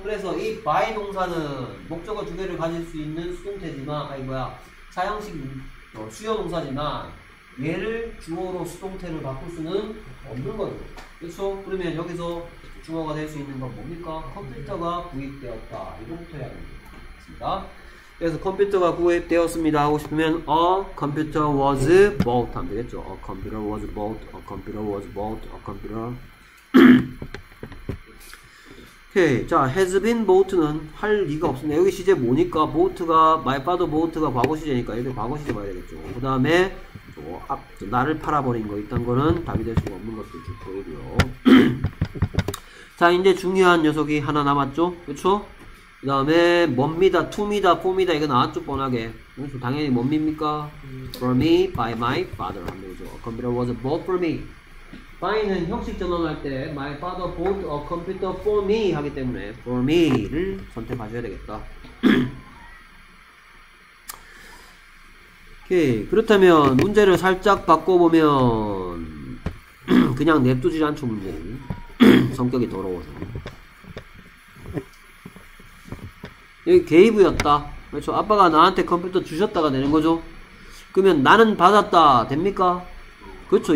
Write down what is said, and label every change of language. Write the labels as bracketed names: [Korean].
[Korean] 그래서 이 by 동사는 목적어 두 개를 가질 수 있는 수동태지만, 아니 뭐야, 사형식 수요 동사지만 얘를 주어로 수동태를 바꿀 수는 없는 거죠. 그렇죠. 그러면 여기서 주어가 될 수 있는 건 뭡니까? 컴퓨터가 구입되었다. 이것부터 해야 됩니다. 그래서 컴퓨터가 구입되었습니다 하고 싶으면 [English] a computer was bought [Korean] 하면 되겠죠. [English] a computer was bought, a computer was bought, a computer. [Korean] 오케이. 자, has been bought는 할 리가 없습니다. 여기 시제 뭐니까? bought가, my father bought가 과거 시제니까 여기 과거 시제 봐야 되겠죠. 그 다음에 나를 팔아버린 거 있던 거는 답이 될 수가 없는 것도 쭉 보이고요. 자, 이제 중요한 녀석이 하나 남았죠? 그쵸? 그 다음에 뭡니다, to입니다, for입니다. 이거 나왔죠, 뻔하게. 그렇죠? 당연히 뭡니까? [English] For me, by my father. [Korean] 한 거죠. [English] A computer was bought for me. By는 [Korean] 형식 전환할 때 [English] My father bought a computer for me [Korean] 하기 때문에 [English] for me를 [Korean] 선택하셔야 되겠다. 오케이. 그렇다면 문제를 살짝 바꿔보면 그냥 냅두질 않죠, 문제는. 성격이 더러워서. 여기 gave였다. 그렇죠? 아빠가 나한테 컴퓨터 주셨다가 되는 거죠. 그러면 나는 받았다 됩니까? 그렇죠.